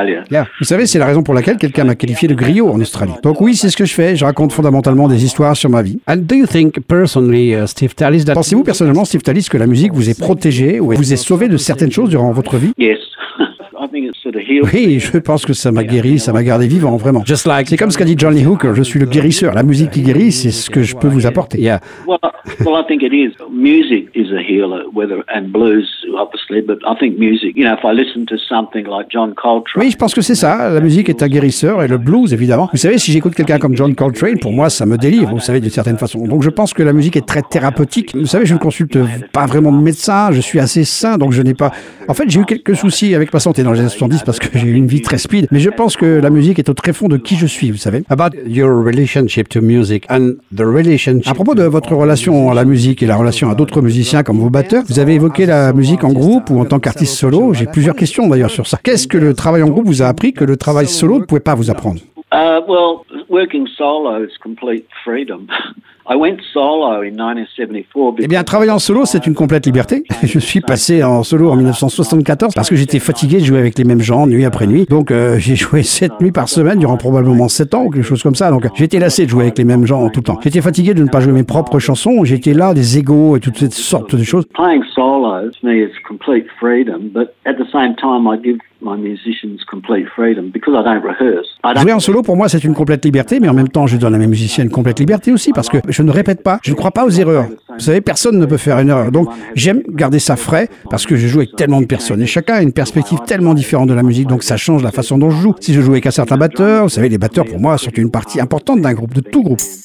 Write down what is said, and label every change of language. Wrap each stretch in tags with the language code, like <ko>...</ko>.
<fr>Yeah. Vous savez, c'est la raison pour laquelle quelqu'un m'a qualifié de griot en Australie. Donc oui, c'est ce que je fais. Je raconte fondamentalement des histoires sur ma vie.</fr> <en>And do you think personally, Steve Tallis, that...</en> <fr>Pensez-vous personnellement, Steve Tallis, que la musique vous est protégée ou vous est sauvée de certaines choses durant votre vie?</fr> <en>Yes, I think it's</en> <fr>Oui, je pense que ça m'a guéri, ça m'a gardé vivant, vraiment.</fr> <en>Just like,</en> <fr>c'est comme ce qu'a dit Johnny Hooker, je suis le guérisseur. La musique qui guérit, c'est ce que je peux vous apporter.</fr> <en>Yeah. Well, I think it is. Music is a healer, whether and blues, obviously, but I think music, you know, if I listen to something like John Coltrane.</en> <fr>Oui, je pense que c'est ça. La musique est un guérisseur et le blues, évidemment. Vous savez, si j'écoute quelqu'un comme John Coltrane, pour moi, ça me délivre, vous savez, d'une certaine façon. Donc, je pense que la musique est très thérapeutique. Vous savez, je ne consulte pas vraiment de médecin, je suis assez sain, donc je n'ai pas. En fait, j'ai eu quelques soucis avec ma santé dans les années 70 parce que j'ai eu une vie très speed, mais je pense que la musique est au tréfond de qui je suis, vous savez. About your relationship to music and the relationship. À propos de votre relation à la musique et la relation à d'autres musiciens comme vos batteurs, vous avez évoqué la musique en groupe ou en tant qu'artiste solo. J'ai plusieurs questions d'ailleurs sur ça. Qu'est-ce que le travail en groupe vous a appris que le travail solo ne pouvait pas vous apprendre?</fr> <en>Well, working solo is complete freedom. I went solo in 1974.</en> <fr>Eh bien, travailler en solo, c'est une complète liberté. Je suis passé en solo en 1974 parce que j'étais fatigué de jouer avec les mêmes gens nuit après nuit. Donc, j'ai joué 7 nuits par semaine durant probablement 7 ans ou quelque chose comme ça. Donc, j'étais lassé de jouer avec les mêmes gens tout le temps. J'étais fatigué de ne pas jouer mes propres chansons. J'étais là, des égos et toutes ces sortes de choses.</fr> <en>Playing solo, to me, is complete freedom. But at the same time, I give my musicians complete freedom because I don't rehearse.</en> <fr>Jouer en solo, pour moi, c'est une complète liberté, mais en même temps, je donne à mes musiciens une complète liberté aussi parce que je ne répète pas, je ne crois pas aux erreurs. Vous savez, personne ne peut faire une erreur. Donc, j'aime garder ça frais parce que je joue avec tellement de personnes et chacun a une perspective tellement différente de la musique. Donc, ça change la façon dont je joue. Si je joue avec un certain batteur, vous savez, les batteurs, pour moi, sont une partie importante d'un groupe, de tout groupe.</fr>